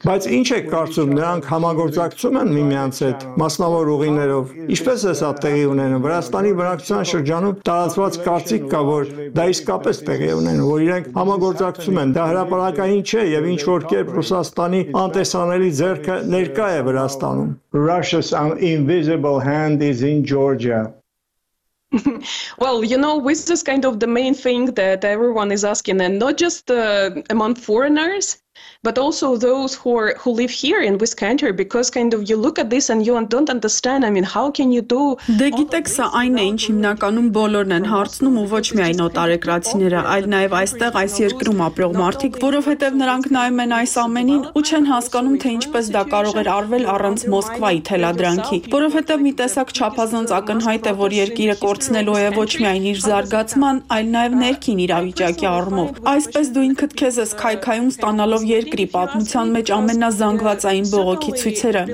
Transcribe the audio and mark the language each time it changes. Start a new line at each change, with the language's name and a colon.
Armenian: Բայց ինչ է կարծում, նրանք համագործակցում են միմյանց հետ մասնավոր ուղիներով։ Ինչպես է սա տեղի ունենում Վրաստանի բնակության շրջանում տարածված կարծիք կա, որ դա իսկապես տեղի ունենում, որ իրենք համագործակցում են, դա հրապարակային չէ եւ ինչ որ կերպ Ռուսաստանի անտեսանելի ձեռքը ներկա է Վրաստանում։
English: Russia's invisible hand is in Georgia. Well, you know, this is kind of the main thing that everyone is asking, and not just among foreigners, but also those who live here in this country, because kind of you look at this and you don't understand, I mean, how can you do...
Armenian: Դե գիտեք, սա այն է, ինչ հիմնականում բոլորն են հարցնում ու ոչ միայն օտարերկրացիները, այլ նաև այստեղ այս երկրում ապրող մարդիկ, որովհետև նրանք նայում են այս ամենին ու չեն հասկանում, թե ինչպես դա կարող էր արվել առանց Մոսկվայի թելադրանքի, որովհետև մի տեսակ չափազանց ակնհայտ է, որ երկիրը կորցնելու է ոչ միայն իր զարգացման, այլ նաև ներքին իրավիճակի առումով, այսպես դու ինքդ քեզ ես քայքայում ստանալով երկրի պատմության մեջ ամենազանգվածային բողոքի ցույցերը։